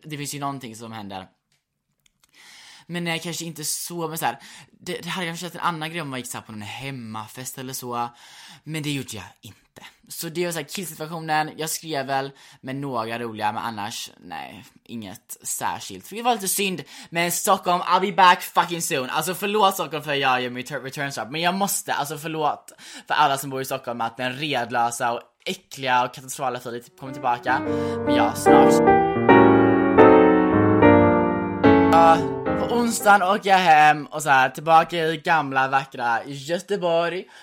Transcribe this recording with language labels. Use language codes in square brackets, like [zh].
[sv] Det finns ju någonting som händer. Men nej, kanske inte så, men så här, det hade kanske varit en annan grej om man gick så här på någon hemmafest eller så. Men det gjorde jag inte. Så det var så här killsituationen. Jag skrev väl med några roliga, men annars, nej, inget särskilt. För det var lite synd. Men [en] Stockholm, I'll be back fucking soon. [sv] Alltså förlåt Stockholm för att jag gör mitt [en] return stop. [sv] Men jag måste, alltså förlåt för alla som bor i Stockholm att den redlösa och äckliga och katastrofala tidigt kommer tillbaka. Men ja, snart. På onsdagen åker jag hem och så här tillbaka i gamla vackra Göteborg.